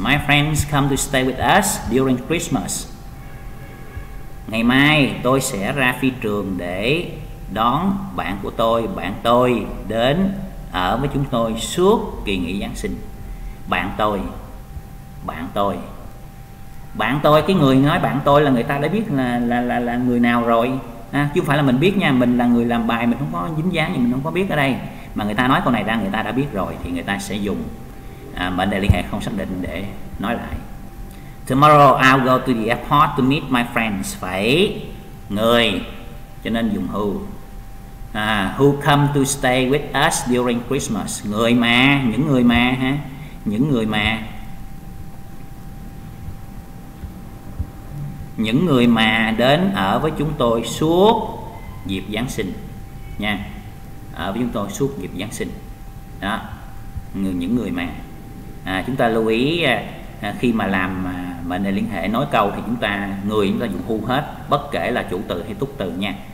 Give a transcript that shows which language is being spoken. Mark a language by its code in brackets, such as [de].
[en] My friends come to stay with us during Christmas. [vi] Ngày mai tôi sẽ ra phi trường để đón bạn của tôi, bạn tôi đến ở với chúng tôi suốt kỳ nghỉ Giáng sinh. Bạn tôi, bạn tôi. bạn tôi, cái người nói bạn tôi là người ta đã biết là người nào rồi ha, chứ không phải là mình biết nha, mình là người làm bài, mình không có dính dáng gì, mình không có biết ở đây, mà người ta nói câu này ra người ta đã biết rồi thì người ta sẽ dùng mệnh đề liên hệ không xác định để nói lại. [en] Tomorrow I'll go to the airport to meet my friends. [vi] Phải người, cho nên dùng who. [en] Who come to stay with us during Christmas? [vi] Người mà, những người mà ha, những người mà, những người mà đến ở với chúng tôi suốt dịp Giáng sinh nha. Ở với chúng tôi suốt dịp Giáng sinh. Đó. Những người mà chúng ta lưu ý khi mà làm mệnh đề liên hệ nói câu thì chúng ta người chúng ta dùng who hết, bất kể là chủ từ hay túc từ nha.